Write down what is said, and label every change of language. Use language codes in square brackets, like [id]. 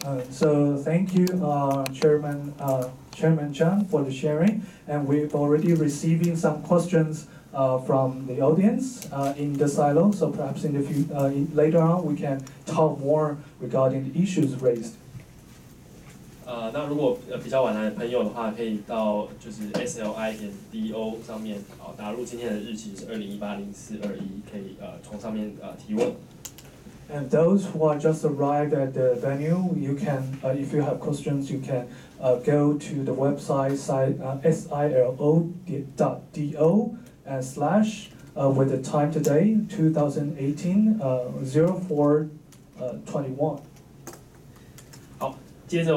[en] So thank you, Chairman Chen, for the sharing. And we've already receiving some questions from the audience in the silo. So perhaps in the few, later on, we can talk more regarding the issues raised. [zh] 那如果比较晚来的朋友的话，可以到就是 sli.do 上面打入今天的日期是20180421，可以从上面提问。 [en] And those who are just arrived at the venue, you can, if you have questions, you can go to the website silo.do/ with the time today, 2018,